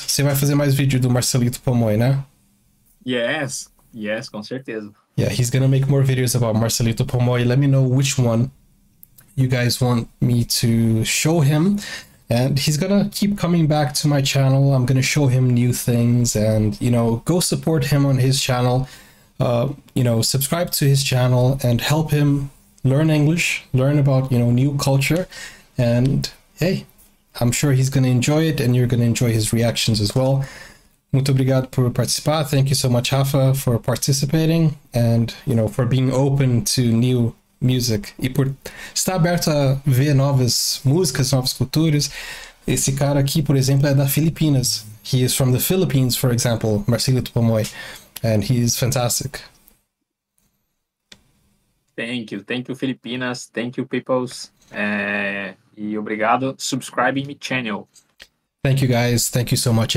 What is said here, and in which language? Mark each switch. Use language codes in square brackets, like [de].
[pt] Você vai fazer mais vídeo do Marcelito Pomoy, né? [en] Yes. Yes, [pt] com certeza. [en] Yeah, he's gonna make more videos about Marcelito Pomoy. Let me know which one you guys want me to show him. And he's gonna keep coming back to my channel. I'm gonna show him new things and, you know, go support him on his channel. You know, subscribe to his channel and help him learn English, learn about, you know, new culture. And hey, I'm sure he's gonna enjoy it and you're gonna enjoy his reactions as well. [pt] Muito obrigado por participar. [en] Thank you so much, Rafa, for participating and, you know, for being open to new music. [pt] E por estar aberto a ver novas músicas, novas culturas. Esse cara aqui, por exemplo, é da Filipinas. [en] He is from the Philippines, for example, Marcelito Pomoy. And he is fantastic. Thank you. Thank you, Filipinas. Thank you, peoples. [pt] E obrigado. [en] Subscribe me channel. Thank you, guys. Thank you so much.